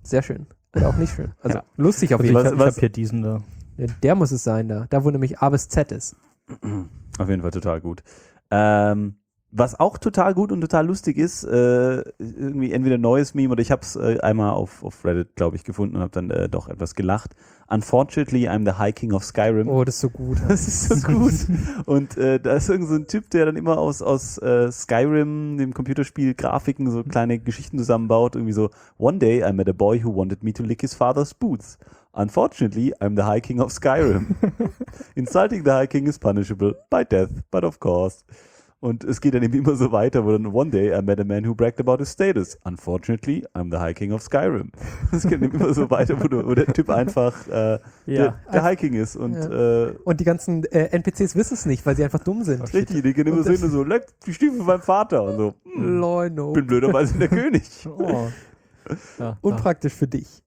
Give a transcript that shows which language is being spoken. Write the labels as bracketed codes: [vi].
[de] Sehr schön. Oder auch nicht schön. Also ja. Lustig auf jeden Fall. Ich hab hier diesen da. Ja, der muss es sein da, wo nämlich A bis Z ist. Auf jeden Fall total gut. Was auch total gut und total lustig ist, irgendwie entweder neues Meme oder ich habe es einmal auf Reddit, glaube ich, gefunden und habe dann doch etwas gelacht. [en] Unfortunately, I'm the High King of Skyrim. [de] Oh, das ist so gut. Das ist so gut. Und da ist irgend so ein Typ, der dann immer aus Skyrim, dem Computerspiel, Grafiken, so kleine Geschichten zusammenbaut. Irgendwie so, [en] one day I met a boy who wanted me to lick his father's boots. Unfortunately, I'm the High King of Skyrim. Insulting the High King is punishable by death, but of course... [de] Und es geht dann eben immer so weiter, wo dann [en] one day I met a man who bragged about his status. Unfortunately, I'm the High King of Skyrim. [de] Es geht dann immer so weiter, wo der Typ einfach der High King ist. Und, ja. Und die ganzen NPCs wissen es nicht, weil sie einfach dumm sind. Richtig, die gehen immer so hin und so, leck die Stiefel von meinem Vater. Und so, Leuno. Bin blöderweise der König. Oh. Ja, unpraktisch für dich.